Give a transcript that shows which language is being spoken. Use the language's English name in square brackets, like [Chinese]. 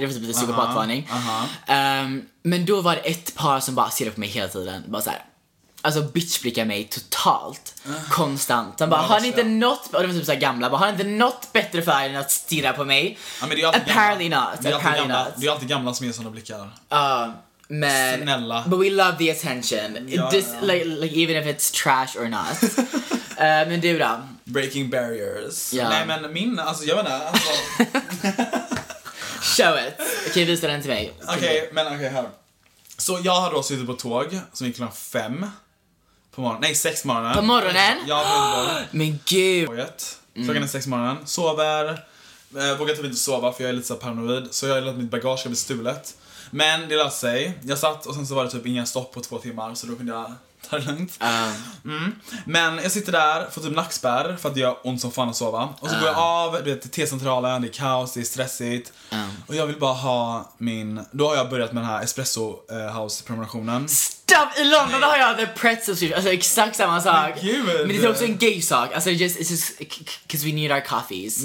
[Swedish] Det var typ lite psykopatvarning. Men då var det ett par som bara ser på mig hela tiden. Bara såhär, alltså bitchblickar mig totalt konstant. Han bara, har ni inte något, och de var typ såhär gamla, bara, har ni inte något bättre för än att stirra på mig? Ja, men det är [English] apparently [Swedish] gamla. Not, det är apparently gamla. [English] Not. [Swedish] Det är alltid gamla som ger sådana blickar. Men snälla. [English] But we love the attention. Like even if it's trash or not. [Swedish] Men du då? [English] Breaking barriers. Yeah. [Swedish] Nej, men min, alltså jag menar, alltså. [English] Show it. [Swedish] Okej, visa den till mig. Okej, men okej, här. Så jag har då suttit på tåg som gick klockan 5 på morgonen. Nej, 6 på morgonen. På morgonen? Ja, men gud. Klockan är 6 på morgonen. Sover. Vågar typ inte sova för jag är lite så paranoid. Så jag har lärt mitt bagage ska bli stulet. Men det löste sig. Jag satt och sen så var det typ inga stopp på 2 timmar. Så då kunde jag ta det lugnt. Men jag sitter där, får typ nackspärr för att det gör ont som fan att sova. Och så går jag av, du vet, till T-centralen. Det är kaos, det är stressigt. Och jag vill bara ha min. Då har jag börjat med den här Espresso House-prenumerationen. Stopp! I London har jag [English] the pretzel suit. [Swedish] Alltså exakt samma sak. Men det är också en gay sak. Alltså just, [English] it's just cause we need our coffees.